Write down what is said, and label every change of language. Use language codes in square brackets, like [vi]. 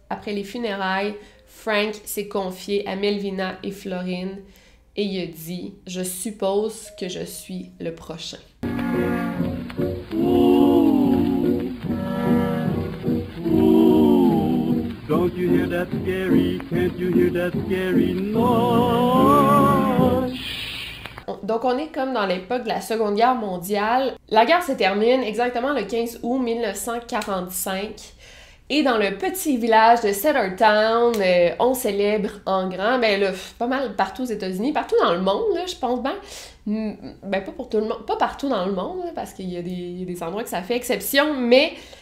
[fr] Après les funérailles, Frank s'est confié à Melvina et Florine et il a dit « Je suppose que je suis le prochain. » [en] Don't you hear that scary? Can't you hear that scary noise? [fr] Donc on est comme dans l'époque de la Seconde Guerre mondiale. La guerre se termine exactement le 15 août 1945. Et dans le petit village de Sellertown, on célèbre en grand, ben là, pas mal partout aux États-Unis, partout dans le monde, là, je pense, ben pas pour tout le monde, pas partout dans le monde, là, parce qu'il y a des endroits que ça fait exception, mais